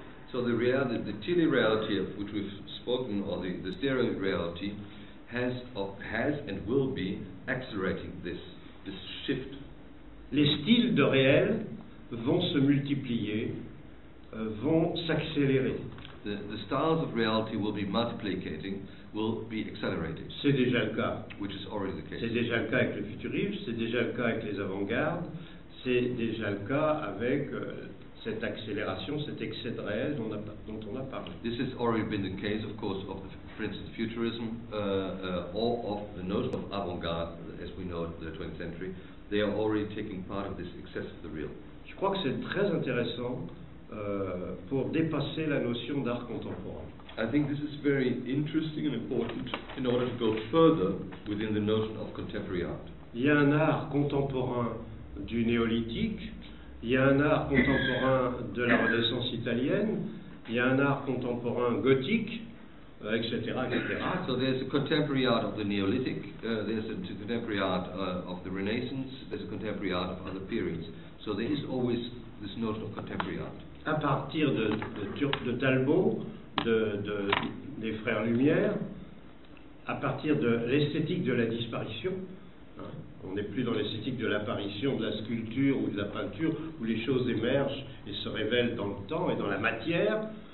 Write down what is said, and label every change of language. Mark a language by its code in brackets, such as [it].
[en] So the reality, the tele-reality of which we've spoken, or the stereo reality, has and will be accelerating this shift. [fr] Les styles de réel vont se multiplier, vont s'accélérer. [en] The styles of reality will be multiplicating, will be accelerating. [fr] C'est déjà le cas. [en] Which is already the case. [fr] C'est déjà le cas avec le futurisme, c'est déjà le cas avec les avant-gardes, c'est déjà le cas avec cette accélération, cet excès de réel dont on a parlé. [en] This has already been the case, of course, of the, for instance, futurism, or of the notion of avant-garde, as we know it, the 20th century. They are already taking part of this excess of the real. [fr] Je crois que c'est très intéressant pour dépasser la notion d'art contemporain. [en] I think this is very interesting and important in order to go further within the notion of contemporary art. [fr] Il y a un art contemporain du néolithique. Il y a un art contemporain de la Renaissance italienne, il y a un art contemporain gothique, etc., etc. [en] So there's a contemporary art of the Neolithic, there's a contemporary art of the Renaissance, there's a contemporary art of other periods. So there is always this notion of contemporary art. [fr] À partir de Talbot, des Frères Lumière, à partir de l'esthétique de la disparition, on n'est plus dans l'esthétique de l'apparition, de la sculpture ou de la peinture, où les choses émergent et se révèlent dans le temps et dans la matière.